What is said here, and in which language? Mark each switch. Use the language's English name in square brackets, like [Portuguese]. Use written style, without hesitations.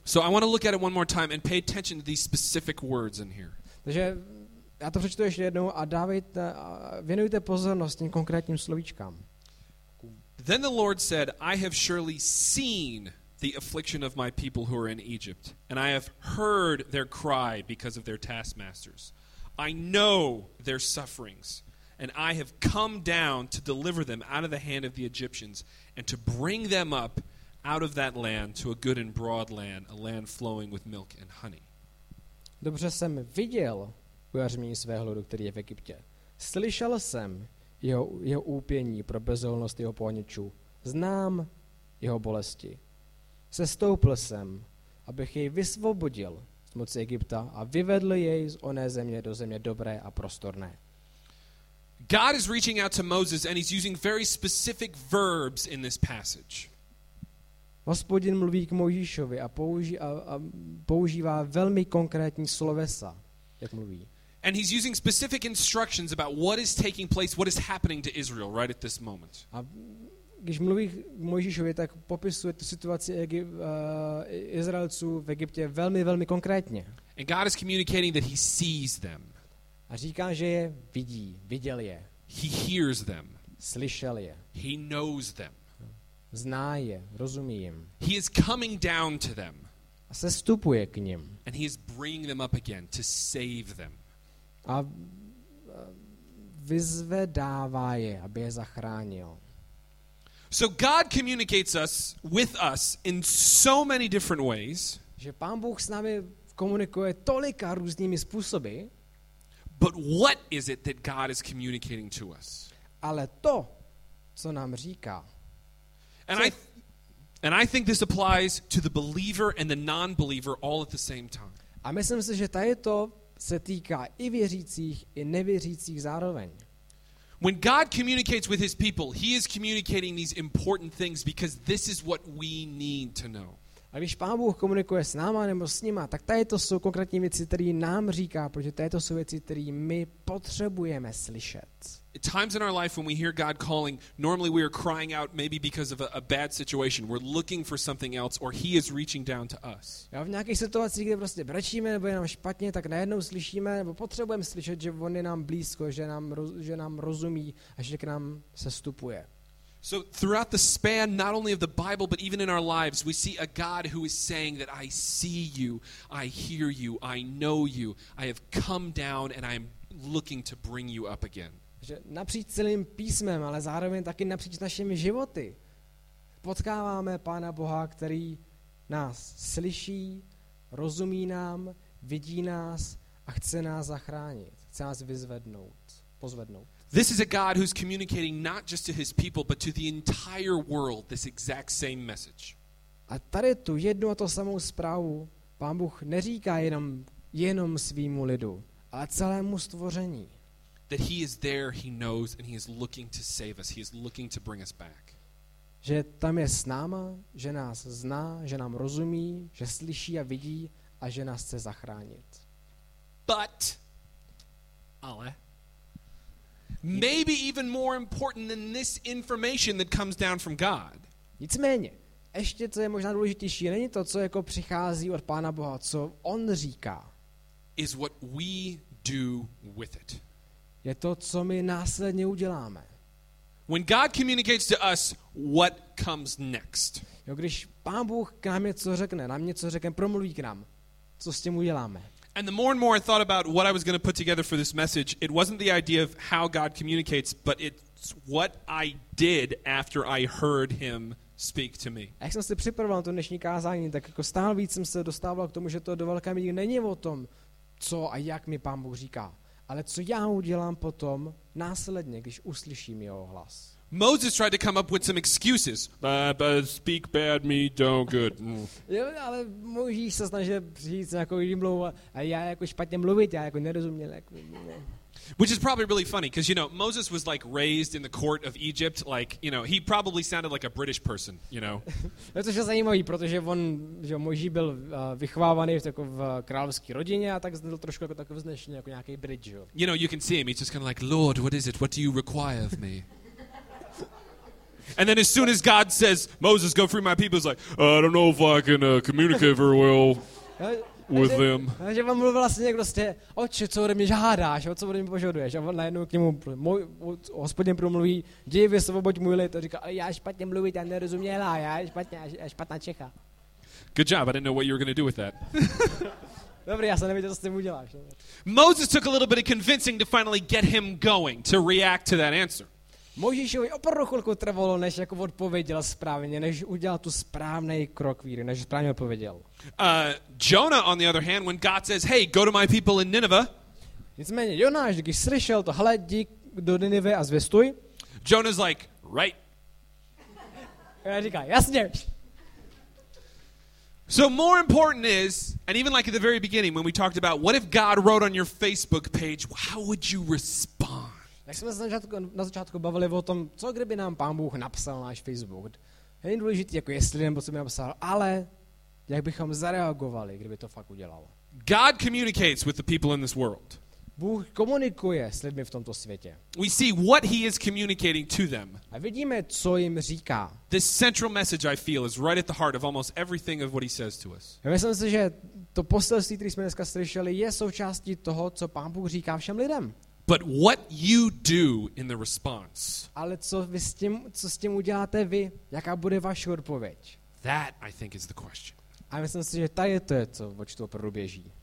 [English] So I want to look at it one more time and pay attention to these specific words in here. [Czech] Takže já to přečtu ještě jednou a dávejte, věnujte pozornost těm konkrétním slovíčkám. [English] Then the Lord said, I have surely seen the affliction of my people who are in Egypt, and I have heard their cry because of their taskmasters. I know their sufferings, and I have come down to deliver them out of the hand of the Egyptians and to bring them up out of that land to a good and broad land, a land flowing with milk and honey. [Czech] Dobře jsem viděl ujařmění svého lidu, který je v Egyptě. Slyšel jsem jeho úpění pro bezohlednost jeho poháněčů. Znám jeho bolesti. Sestoupil jsem, abych jej vysvobodil z moci Egypta a vyvedl jej z oné země do země dobré a prostorné. [English] God is reaching out to Moses and he's using very specific verbs in this passage. [Czech] Hospodin mluví k Mojžíšovi a používá velmi konkrétní slovesa, jak mluví. [English] And he's using specific instructions about what is taking place, what is happening to Israel right at this moment. [Czech] A když mluví Mojžíšovi, tak popisuje tu situaci Izraelců v Egyptě velmi, velmi konkrétně. [English] And God is communicating that he sees them. [Czech] A říká, že je vidí, viděl je. [English] He hears them. [Czech] Slyšel je. [English] He knows them. [Czech] Zná je, rozumí jim. [English] He is coming down to them. [Czech] A sestupuje k nim. [English] And he is bringing them up again to save them. [Czech] A vyzvedává je, aby je zachránil. [English] So God communicates us with us in so many different ways. [Czech] Že Pán Bůh s námi komunikuje tolika různými způsoby. [English] But what is it that God is communicating to us? [Czech] Ale to, co nám říká. [English] And I think this applies to the believer and the non-believer all at the same time. [Czech] A myslím si, že tady to se týká i věřících i nevěřících zároveň. [English] When God communicates with his people, he is communicating these important things because this is what we need to know. [Czech] A když Pán Bůh komunikuje s náma nebo s nima, tak tady to jsou konkrétní věci, které nám říká, protože tady to jsou věci, které my potřebujeme slyšet. [English] At times in our life when we hear God calling, normally we are crying out maybe because of a bad situation. We're looking for something else or he is reaching down to us. [Czech] Já v nějakých situacích, kde prostě brečíme nebo je nám špatně, tak najednou slyšíme nebo potřebujeme slyšet, že on je nám blízko, že nám rozumí a že k nám sestupuje. [English] So throughout the span not only of the Bible but even in our lives we see a God who is saying that I see you, I hear you, I know you. I have come down and I'm looking to bring you up again. [Czech] Že napříč celým písmem, ale zároveň taky napříč našimi životy potkáváme Pána Boha, který nás slyší, rozumí nám, vidí nás a chce nás zachránit, chce nás vyzvednout, pozvednout. [English] This is a God who's communicating not just to his people but to the entire world this exact same message. [Czech] A tady tu jednu a to samou zprávu Pán Bůh neříká jenom svýmu lidu, ale celému stvoření. [English] That he is there, he knows, and he is looking to save us. He is looking to bring us back. [Czech] Že tam je s náma, že nás zná, že nám rozumí, že slyší a vidí a že nás chce zachránit. [English] But, ale, maybe even more important than this information that comes down from God. [Czech] Nicméně, ještě co je možná důležitější, není to, co jako přichází od Pána Boha, co on říká. [English] Is what we do with it. [Czech] Je to, co my následně uděláme. [English] When God communicates to us, what comes next? [Czech] Jo, když Pán Bůh k nám něco řekne, nám něco řekne, promluví k nám, co s tím uděláme? [English] And the more and more I thought about what I was going to put together for this message, it wasn't the idea of how God communicates, but it's what I did after I heard him speak to me. [Czech] A jak jsem se připravoval to dnešní kázání, tak jako stále víc jsem se dostával k tomu, že to do velké míry není o tom, co a jak mi Pán Bůh říká. Ale co já udělám potom následně, když uslyším jeho hlas. [English] Moses tried to come up with some excuses. Speak bad, me don't good. [Czech] Ale Mojžíš se snažil říct nějakou výmluvu a já jako špatně mluvit, já jako nerozuměl. [English] Which is probably really funny, because you know, Moses was like raised in the court of Egypt, like, you know, he probably sounded like a British person, you know. [Czech] Což je zajímavý, protože on, že Mojžíš byl vychovávaný jako v královské rodině a tak znal trošku jako takový vznešený, jako nějaký Brit, jo. [English] You know, you can see him, he's just kind of like, Lord, what is it, what do you require of me? And then as soon as God says, Moses, go free my people, he's like, I don't know if I can communicate very well. With them. [Czech] Že vám mluvil vlastně někdo stě, oče, co ode mě žádáš, co ode mě požaduješ? A on najednou k němu, hospodin promluví, děj vysvoboď můj lid, a říká, já špatně mluvit, já nerozuměla, já špatná Čecha. [English] Good job, I didn't know what you were going to do with that. [Czech] Dobrý, já jsem nevěděl, co s tím uděláš. [English] Moses took a little bit of convincing to finally get him going, to react to that answer. [Czech] Mojžíšovi opravdu chvilku trvalo, než jako odpověděl správně, než udělal tu správný krok víry, než správně odpověděl. [English] Jonah, on the other hand, when God says, hey, go to my people in Nineveh. [Czech] Nicméně Jonáš, když slyšel to, hele, jdi do Nineve a zvěstuj. [English] Jonah's like, right. [Czech] A říká, jasně. [English] So more important is, and even like at the very beginning, when we talked about, what if God wrote on your Facebook page, how would you respond? [Czech] Jak jsme se na začátku bavili o tom, co kdyby nám Pán Bůh napsal na náš Facebook. Není důležitý, jako jestli nebo co by napsal, ale jak bychom zareagovali, kdyby to fakt udělal. [English] God communicates with the people in this world. [Czech] Bůh komunikuje s lidmi v tomto světě. [English] We see what he is communicating to them. [Czech] A vidíme, co jim říká. [English] This central message I feel is right at the heart of almost everything of what he says to us. [Czech] Já myslím si, že to poselství, které jsme dneska slyšeli, je součástí toho, co Pán Bůh říká všem lidem. [English] But what you do in the response. [Czech] Ale co vy s tím, co s tím uděláte vy? Jaká bude vaše odpověď? [English] That I think is the question. [Czech] A myslím si, že tady je to, co o čtu opravdu běží.